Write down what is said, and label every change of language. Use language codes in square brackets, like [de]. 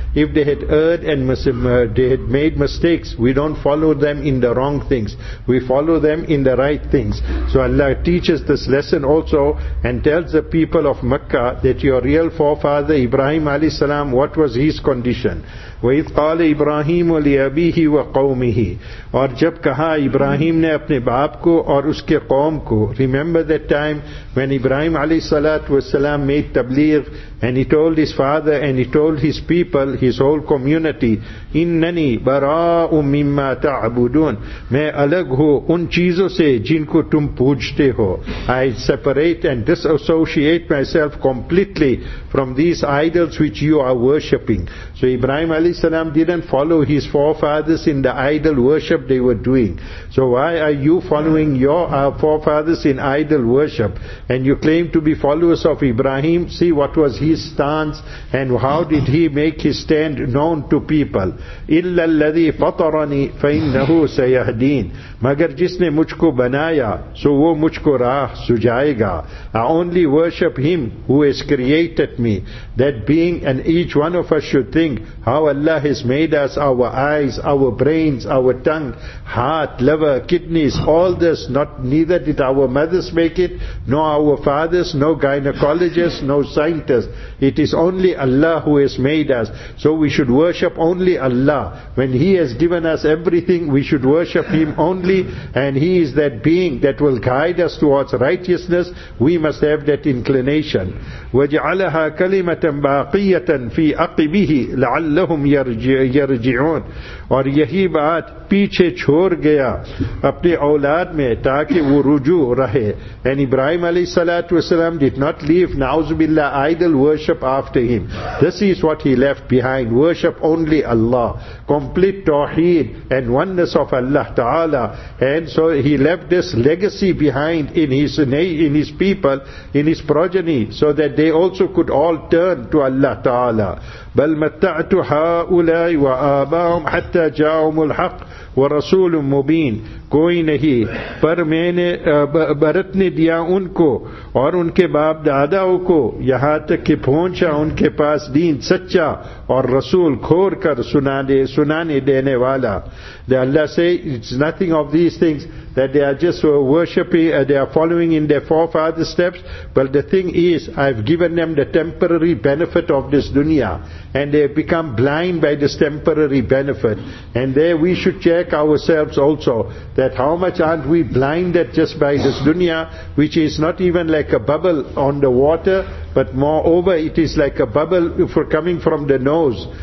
[en] If they had erred and they had made mistakes, we don't follow them in the wrong things. We follow them in the right things. So Allah teaches this lesson also and tells the people of Makkah that your real forefather Ibrahim alayhi salam, what was his condition? [ar] وَإِذْ قَالَ إِبْرَاهِيمُ لِأَبِيهِ وَقَوْمِهِ. [ur] اور جب کہا ابراہیم نے اپنے باپ کو اور اس کے قوم کو. [en] Remember that time when Ibrahim alayhi salatu wasalam made tabligh, and he told his father and he told his people, his whole community, [ar] إِنَّنِي بَرَاءٌ مِّمَّا تَعْبُدُونَ. [ur] میں الگ ہو ان چیزوں سے جن کو تم پوجھتے ہو. [en] I separate and disassociate myself completely from these idols which you are worshipping. So Ibrahim alayhi salam didn't follow his forefathers in the idol worship they were doing. So why are you following your forefathers in idol worship? And you claim to be followers of Ibrahim. See what was his stance and how did he make his stand known to people. [ar] إِلَّا الَّذِي فَطَرَنِي فَإِنَّهُ سَيَهْدِينَ. [ur] مگر جس نے مجھ کو بنایا سو وہ مجھ کو راہ سجائے گا. [en] I only worship him who has created me. That being, and each one of us should think how Allah has made us, our eyes, our brains, our tongue, heart, liver, kidneys, all this, neither did our mothers make it, nor our fathers, no gynecologists, no scientists. It is only Allah who has made us. So we should worship only Allah. When He has given us everything, we should worship Him only, and He is that being that will guide us towards righteousness. We must have that inclination. [ar] وَجْعَلَهَا كَلِمَةً بَاقِيَةً فِي أَقِبِهِ لَعَلَّهُمْ يَرْجِعُونَ. [ur] اور یہی بات پیچھے چھوڑ گیا اپنے اولاد میں تاکہ وہ رجوع رہے. [en] And Ibrahim alayhi salatu wasalam did not leave na'uz billah idol worship after him. This is what he left behind. Worship only Allah. Complete tawheed and oneness of Allah Ta'ala. And so he left this legacy behind in his people, in his progeny, so that they also could all turn to Allah Ta'ala. [ar] بَلْ مَتَّعْتُ هَؤُلَاءِ وَآبَاهُمْ حَتَّى جَاءَهُمُ الْحَقُّ وَرَسُولٌ مُبِينٌ. [ur] کوئی نہیں پر میں نے برتنے دیا ان کو اور ان کے باپ داداؤں کو یہاں تک کہ پہنچا ان کے پاس دین سچا اور رسول کھور کر سنانے دینے والا. اللہ سے [en] it's nothing of these things that they are just worshiping, they are following in their forefathers' steps. But the thing is, I've given them the temporary benefit of this dunya, and they have become blind by this temporary benefit. And there we should check ourselves also, that how much aren't we blinded just by this dunya, which is not even like a bubble on the water, but moreover it is like a bubble for coming from the nose.